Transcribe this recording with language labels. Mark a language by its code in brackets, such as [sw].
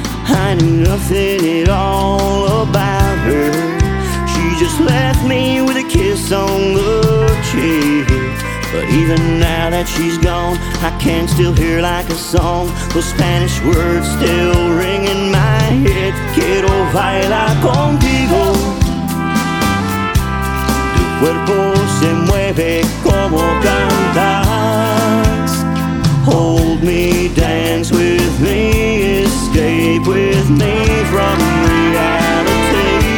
[en] I knew nothing at all about her. She just left me with a kiss on the cheek. But even now that she's gone, I can still hear like a song, those Spanish words still ring in my head. [es] Quiero bailar contigo. Tu cuerpo se mueve como cantas. [en] Hold me, dance with me, escape with me from reality.